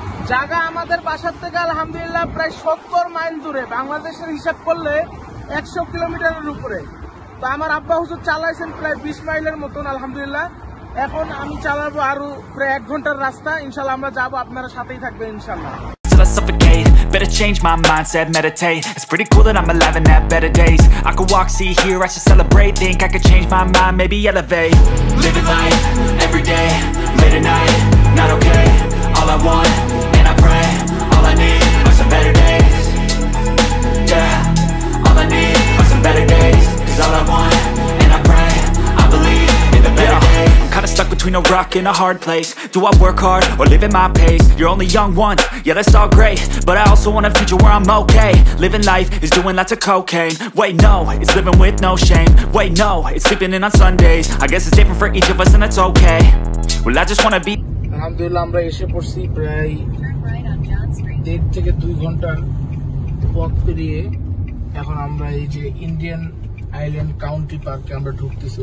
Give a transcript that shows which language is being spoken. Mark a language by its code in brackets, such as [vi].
[bn] জায়গা আমাদের বাসার থেকে আলহামদুলিল্লাহ প্রায় 70 মাইল দূরে, বাংলাদেশের হিসাব করলে 100 কিলোমিটারের উপরে। তো আমার আব্বা হুজুর চালাইছেন প্রায় 20 মাইলের মতন আলহামদুলিল্লাহ। এখন আমি চালাবো আরো প্রায় 1 ঘন্টার রাস্তা ইনশাল্লাহ, আমরা যাবো আপনারা সাথেই থাকবে ইনশাল্লাহ। [en] Better change my mindset, meditate. It's pretty cool that I'm alive and have better days. I could walk, see, hear, I should celebrate. Think I could change my mind, maybe elevate. Living life, every day, late at night, not okay. All I want, and I pray, all I need are some better days. Yeah, all I need are some better days. Cause all I want, and I pray, I believe in the better days. Kinda stuck between a rock and a hard place. Do I work hard or live at my pace? You're only young once, yeah that's all great. But I also want a future where I'm okay. Living life is doing lots of cocaine. Wait no, it's living with no shame. Wait no, it's sleeping in on Sundays. I guess it's different for each of us and it's okay. Well I just wanna be. [bn] Alhamdulillah, আমরা এসে পড়ছি প্রায় 1.5 থেকে 2 ঘন্টার পথ পেরিয়ে এখন আমরা এই যে ইন্ডিয়ান আইল্যান্ড কাউন্টি পার্কে আমরা ঢুকতেছি।